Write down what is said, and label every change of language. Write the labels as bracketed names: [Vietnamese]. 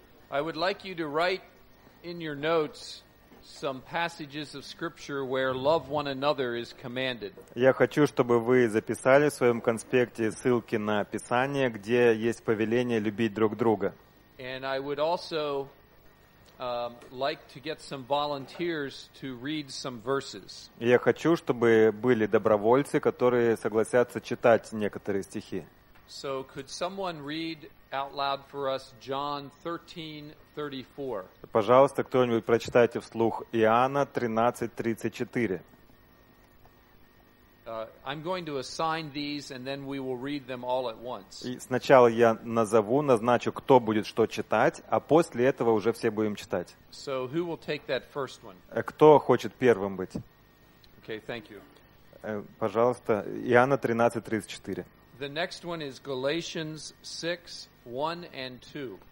[English] I would like you to write in your notes some passages of scripture where love one another is commanded. [Russian] Я хочу, чтобы вы записали в своем конспекте ссылки на Писание, где есть повеление любить друг друга. [English] And I would also like to get some volunteers to read some verses. [Russian] Я хочу, чтобы были добровольцы, которые согласятся читать некоторые стихи. [English] So could someone read out loud for us John 13:34? [Russian] Пожалуйста, кто-нибудь прочитайте вслух Иоанна 13:34. [English] I'm going to assign these and then we will read them all at once. [Russian] И сначала я назначу, кто будет что читать, а после этого уже все будем читать. [English] So who will take that first one? [Russian] Кто хочет первым быть? [English] Okay, thank you. [Russian] Пожалуйста, Иоанна 13:34. [English] The next one is Galatians 6:1-2.